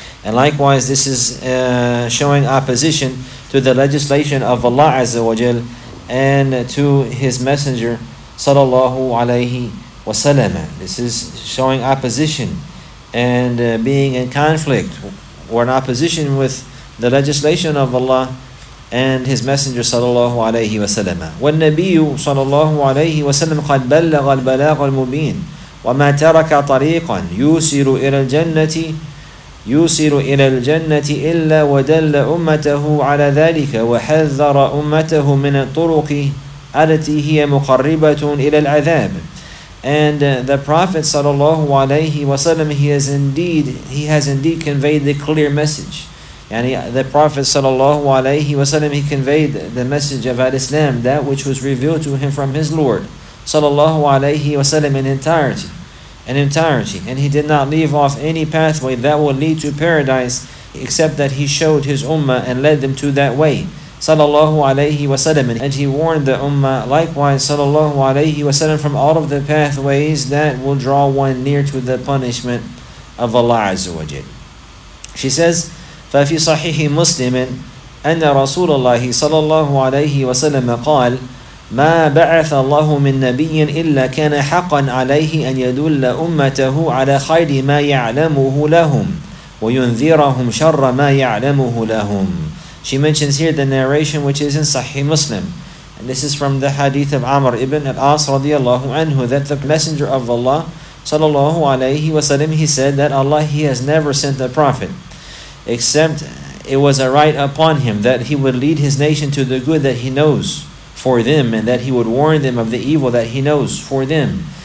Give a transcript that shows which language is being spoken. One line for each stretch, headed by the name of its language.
English: And likewise, this is showing opposition to the legislation of Allah Azza wa Jal and to His Messenger sallallahu alayhi wa sallam. This is showing opposition and being in conflict or in opposition with the legislation of Allah and His Messenger sallallahu alayhi wa sallam.
Arabic: وَالنَّبِيُّ sallallahu alayhi wa sallam قَدْ بَلَّغَ الْبَلَاغَ الْمُبِينَ وَمَا تَرَكَ طَرِيقًا يُوسِرُ إِلَى الْجَنَّةِ يُوسِرُ إِلَى الْجَنَّةِ إِلَّا وَدَلَّ أُمَّتَهُ عَلَى ذَلِكَ وَحَذَّرَ أُمَّتَهُ مِنَ الطُّرُقِ أَلَتِي هِيَ مُقَرِّبَةٌ إِلَى الْعَذَابِ.
English: And the Prophet sallallahu alayhi wa sallam, he has indeed conveyed the clear message. And the Prophet sallallahu alayhi wa sallam, he conveyed the message of Al-Islam, that which was revealed to him from his Lord sallallahu alayhi wa sallam in entirety, and he did not leave off any pathway that will lead to paradise, except that he showed his ummah and led them to that way, sallallahu alayhi wa sallam. And he warned the ummah likewise, sallallahu alayhi wa sallam, from all of the pathways that will draw one near to the punishment of Allah azza wa jalla. She says,
Arabic: "Fa fi sahihi Muslimin أن رسول الله صلى الله عليه وسلم قال ما بعث الله من نبي إلا كان حقا عليه أن يدل أمته على خير ما يعلمه لهم وينذرهم شر ما يعلمه لهم.
English: She mentions here the narration which is in Sahih Muslim. And this is from the hadith of Amr ibn al-As radiallahu anhu, that the Messenger of Allah sallallahu alayhi wa sallam, he said that Allah, he has never sent a prophet except it was a right upon him that he would lead his nation to the good that he knows for them, and that he would warn them of the evil that he knows for them.